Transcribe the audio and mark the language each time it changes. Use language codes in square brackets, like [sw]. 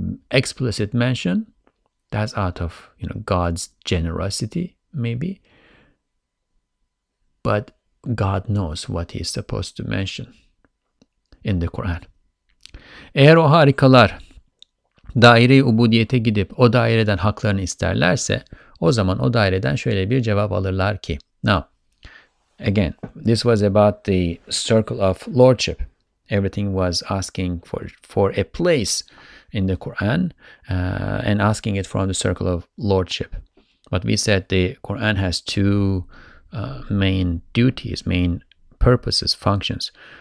[en] explicit mention. That's out of, you know, God's generosity, maybe. But God knows what he's supposed to mention in the Quran. [tr] Eğer o harikalar daire-i ubudiyete gidip o daireden haklarını isterlerse, o zaman o daireden şöyle bir cevap alırlar ki. [en] Now, again, this was about the circle of lordship. Everything was asking for a place in the Quran and asking it from the circle of lordship. But we said the Quran has two main duties, main purposes, functions.